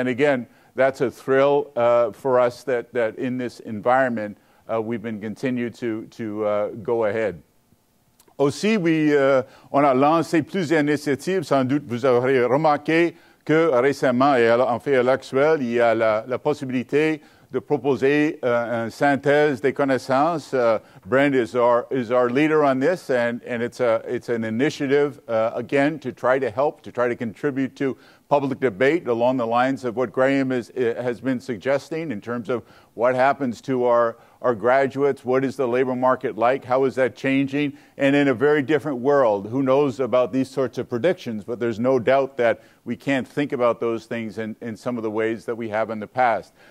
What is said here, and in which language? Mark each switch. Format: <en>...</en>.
<en>And again, that's a thrill for us that in this environment, we've been continued to go ahead.</en> <fr>Aussi, on a lancé plusieurs initiatives. Sans doute, vous aurez remarqué que récemment, et en fait à l'actuel, il y a la possibilité de proposer une synthèse des connaissances.</fr> <en>Brent is our leader on this, and it's an initiative, again, to try to help, to try to contribute to public debate along the lines of what Graham has been suggesting in terms of what happens to our graduates, what is the labor market like, how is that changing, and in a very different world, who knows about these sorts of predictions, but there's no doubt that we can't think about those things in some of the ways that we have in the past.</en>